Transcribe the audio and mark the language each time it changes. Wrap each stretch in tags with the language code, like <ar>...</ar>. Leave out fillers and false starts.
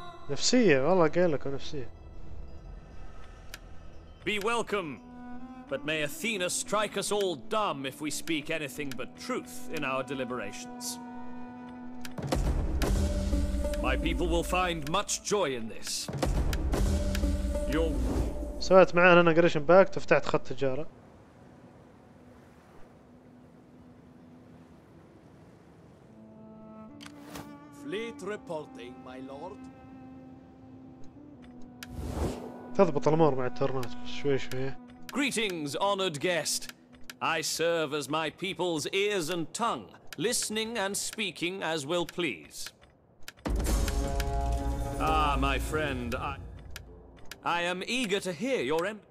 <ar>نفسية والله قال لك نفسية.</ar> <en>Be welcome, but may Athena strike us all dumb if we speak anything but truth in our deliberations. My people will find much joy in this.</en> <ar>سويت معانا أنا قريشن باك وفتحت خط تجارة.</ar> <en>Fleet reporting, my lord.</en> <ar>تضبط الأمور مع الترنات شوي شوي.</ar> <en>Greetings, honored guest. I serve as my people's ears and tongue, listening and speaking as will please. Ah, my friend, I am eager to hear your</en>